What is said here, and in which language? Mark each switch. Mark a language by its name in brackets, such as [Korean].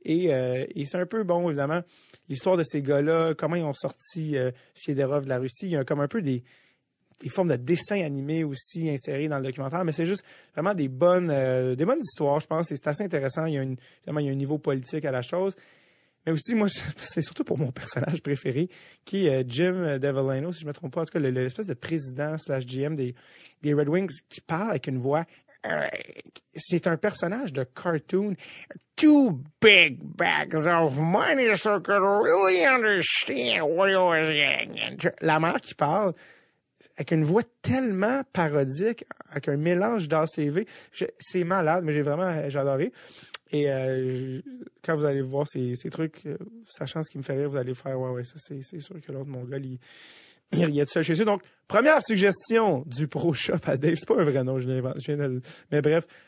[French] Et c'est un peu, bon, évidemment, l'histoire de ces gars-là, comment ils ont sorti Fyodorov de la Russie. Il y a comme un peu des formes de dessins animés aussi insérés dans le documentaire, mais c'est juste vraiment des bonnes histoires, je pense, et c'est assez intéressant. Il y a un niveau politique à la chose. Mais aussi, moi, c'est surtout pour mon personnage préféré, qui est Jim Devolano, si je ne me trompe pas. En tout cas, l'espèce de président slash GM des Red Wings qui parle avec une voix. C'est un personnage de cartoon. [English] Two big bags of money so could really understand what he was getting into. [French] La mère qui parle, avec une voix tellement parodique, avec un mélange d'ACV, c'est malade, mais j'ai adoré. Et quand vous allez voir ces trucs, sachant ce qui me fait rire, vous allez faire « Ouais, ouais, ça, c'est sûr que l'autre, mon gars, il riait tout seul chez eux. » Donc, première suggestion du Pro Shop à Dave. C'est pas un vrai nom, mais bref.